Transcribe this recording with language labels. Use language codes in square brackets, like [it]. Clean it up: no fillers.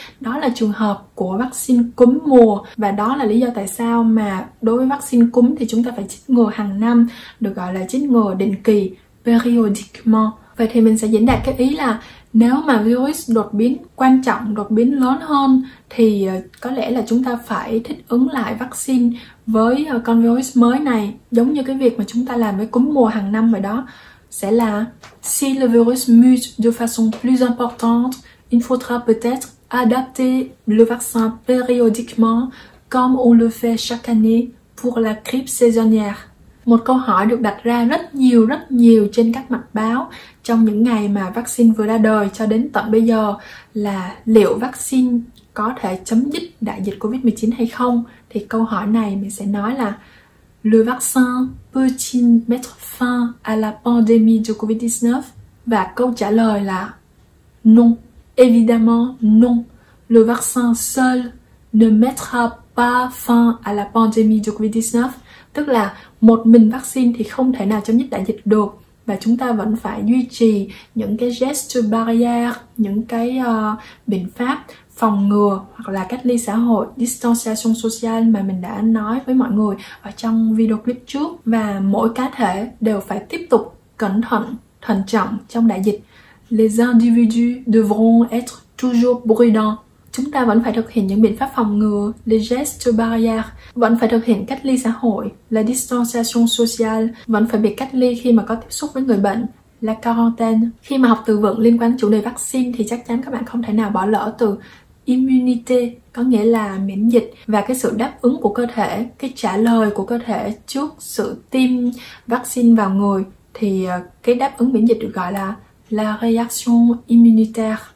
[vi] Đó là trường hợp của vaccine cúm mùa, và đó là lý do tại sao mà đối với vaccine cúm thì chúng ta phải chích ngừa hàng năm, được gọi là chích ngừa định kỳ, periodiquement. Vậy thì mình sẽ diễn đạt cái ý là nếu mà virus đột biến quan trọng, đột biến lớn hơn thì có lẽ là chúng ta phải thích ứng lại vaccine với con virus mới này, giống như cái việc mà chúng ta làm với cúm mùa hàng năm vậy đó. Sẽ là [fr] si le virus mute de façon plus importante, il faudra peut-être adapter le vaccin périodiquement comme on le fait chaque année pour la grippe saisonnière? [vi] Một câu hỏi được đặt ra rất nhiều trên các mặt báo trong những ngày mà vaccine vừa ra đời cho đến tận bây giờ là liệu vaccine có thể chấm dứt đại dịch COVID-19 hay không? Thì câu hỏi này mình sẽ nói là [fr] le vaccin peut-il mettre fin à la pandémie de COVID-19? [vi] Và câu trả lời là [fr] non. Évidemment, non. Le vaccin seul ne mettra pas fin à la pandémie de COVID-19. [vi] Tức là một mình vaccine thì không thể nào chấm dứt đại dịch được. Và chúng ta vẫn phải duy trì những cái gesture barrière, những cái biện pháp phòng ngừa hoặc là cách ly xã hội, distanciation sociale mà mình đã nói với mọi người ở trong video clip trước. Và mỗi cá thể đều phải tiếp tục cẩn thận, thận trọng trong đại dịch. [fr] Les individus devront être toujours prudents. [vi] Chúng ta vẫn phải thực hiện những biện pháp phòng ngừa, les gestes barrières, vẫn phải thực hiện cách ly xã hội, la distanciation sociale, vẫn phải bị cách ly khi mà có tiếp xúc với người bệnh, la quarantaine. Khi mà học từ vựng liên quan chủ đề vaccine thì chắc chắn các bạn không thể nào bỏ lỡ từ immunité, có nghĩa là miễn dịch và cái sự đáp ứng của cơ thể, cái trả lời của cơ thể trước sự tiêm vaccine vào người, thì cái đáp ứng miễn dịch được gọi là la réaction immunitaire.